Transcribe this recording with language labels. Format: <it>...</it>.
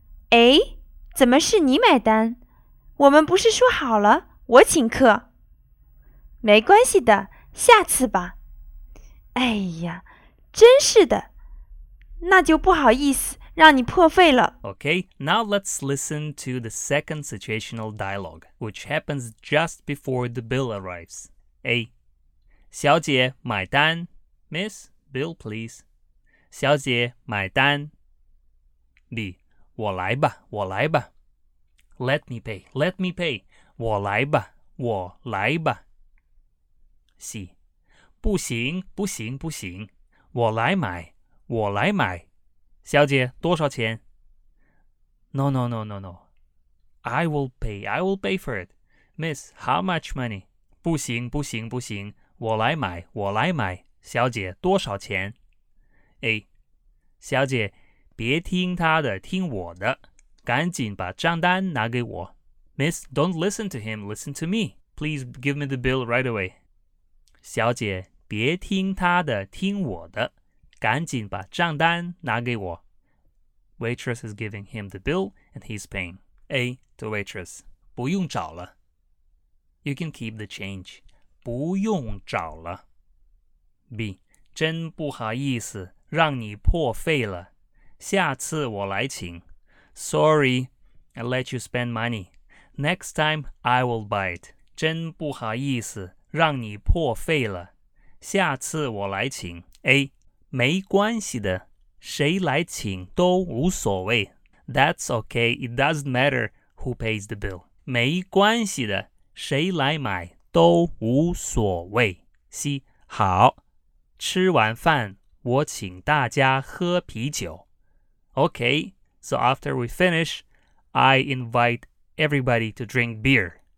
<zh>诶，怎么是你买单？我们不是说好了，我请客。没关系的，下次吧。哎呀，真是的，那就不好意思让你破费了。</zh> <en>Okay, now let's listen to the second situational dialogue, which happens just before the bill arrives. A.</en> <zh>小姐买单。</zh> <en>Miss, bill please.</en> <zh>小姐买单。B. 我来吧，我来吧。</zh> <en>Let me pay, let me pay.</en> <zh>我来吧，我来吧。</zh> <en>C.</en> <zh>不行不行不行，我来买，我来买。小姐多少钱？</zh> <en>No, no, no, no, no. I will pay for it. Miss, how much money?</en> <zh>不行不行不行，我来买，我来买。小姐多少钱？A. 小姐，别听他的，听我的，赶紧把账单拿给我。</zh> <en>Miss, don't listen to him, listen to me. Please give me the bill right away.</en> <zh>小姐，别听他的，听我的，赶紧把账单拿给我。</zh> <en>Waitress is giving him the bill and he's paying. A to waitress.</en> <zh>不用找了。</zh> <en>You can keep the change.</en> <zh>不用找了。B. 真不好意思，让你破费了。下次我来请。</zh> <en>Sorry, I let you spend money. Next time I will buy it.</en> <zh>真不好意思。让你破费了，下次我来请。 A. 没关系的，谁来请都无所谓。</zh> <en>That's okay, it doesn't matter who pays the bill.</en> <zh>没关系的，谁来买都无所谓。 C. 好，吃完饭我请大家喝啤酒。</zh> <en>Okay, so after we finish, I invite everybody to drink beer.</en>